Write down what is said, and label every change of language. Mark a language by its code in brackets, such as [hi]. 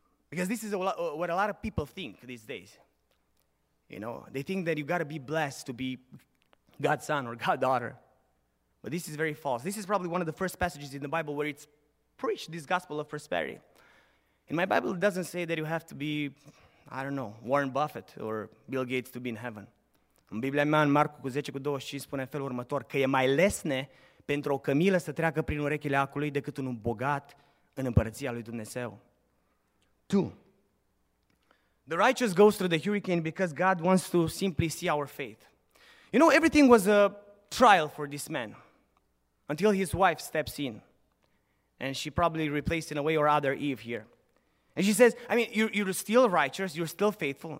[en] Because this is what a lot of people think these days. You know, they think that you got to be blessed to be God's son or God's daughter. But this is very false. This is probably one of the first passages in the Bible where it's preached this gospel of prosperity. In my Bible, it doesn't say that you have to be, I don't know, Warren Buffett or Bill Gates to be in heaven. [ro] În Biblia mea, în Marcu 10:25, spune în felul următor, că e mai lesne pentru o cămilă să treacă prin urechile acului decât un bogat în împărăția lui Dumnezeu. [en] Two. The righteous goes through the hurricane because God wants to simply see our faith. You know, everything was a trial for this man until his wife steps in. And she probably replaced in a way or other Eve here. And she says, I mean, you're still righteous, you're still faithful.